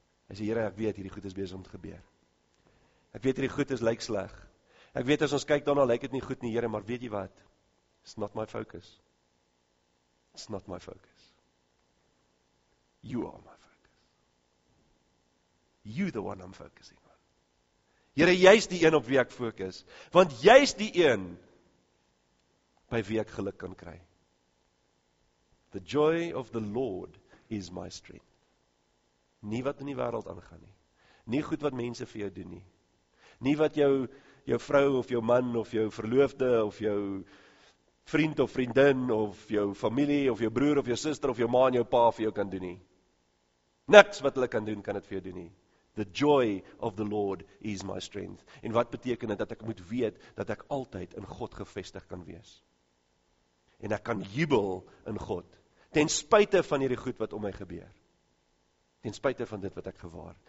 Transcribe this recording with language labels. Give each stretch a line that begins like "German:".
Afrikaans: Hy sê, Here, ek weet hierdie goed is besig om te gebeur, ek weet hierdie goed is lyk sleg, ek weet as ons kyk daarna, lyk het nie goed nie, Here, maar weet jy wat,
English: it's not my focus,
Afrikaans: You are my focus.
English: You the one I'm focusing on.
Afrikaans: Here, jy is die een op wie ek focus. Want jy is die een by wie ek geluk kan kry.
English: The joy of the Lord is my strength.
Afrikaans: Nie wat in die wêreld aangaan nie. Nie goed wat mense vir jou doen nie. Nie wat jou vrou of jou man of jou verloofde of jou vriend of vriendin of jou familie of jou broer of jou suster of jou ma en jou pa vir jou kan doen nie. Niks wat hulle kan doen, kan het vir jou doen nie.
English: The joy of the Lord is my strength.
Afrikaans: En wat beteken dit, dat ek moet weet, dat ek altyd in God gevestig kan wees. En ek kan jubel in God, ten spuite van hierdie goed wat om my gebeur. Ten spuite van dit wat ek gewaar.